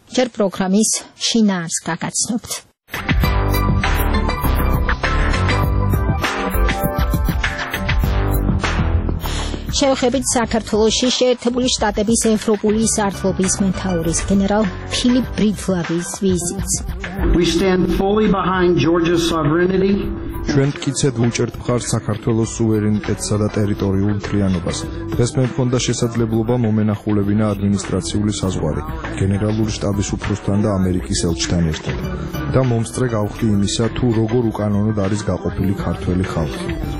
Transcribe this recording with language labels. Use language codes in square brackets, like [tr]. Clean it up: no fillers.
[ka] ჯერ პროგრამის შინაარს გაგაცნობთ. შევხებით საქართველოში შეერთებული შტატების ევროპული სარდლობის მეთაურის გენერალ ფილიპ ბრიდლავის ვიზიტს. [en] We stand fully behind Georgia's sovereignty. [ka] ჩვენ კიდევ უჭერთ მხარს საქართველოს სუვერენიტეტსა და ტერიტორიულ მთლიანობას. დღეს მე მქონდა შესაძლებლობა მომენახულებინა ადმინისტრაციული საზღვარი გენერალური შტაბის უფროსთან და ამერიკის ელჩთან ერთად და მომსწრე გავხდი იმისა, თუ როგორ უკანონოდ არის გაყოფილი ქართველი ხალხი.